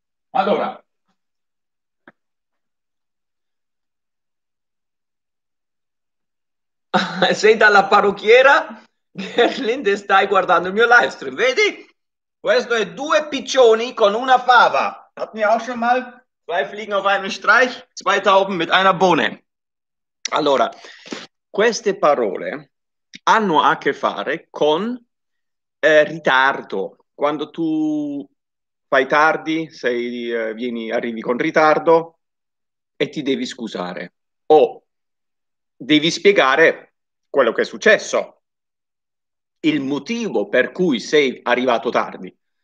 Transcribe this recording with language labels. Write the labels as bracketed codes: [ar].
[it] Allora, sei dalla parrucchiera, Gerlinde, stai guardando il mio live stream, vedi? Questo è due piccioni con una fava. [de] hat mir auch schon mal. Zwei Fliegen auf einen Streich, zwei Tauben mit einer Bohne. [it] Allora, queste parole hanno a che fare con ritardo. Quando tu fai tardi, arrivi con ritardo e ti devi scusare o devi spiegare quello che è successo, il motivo per cui sei arrivato tardi.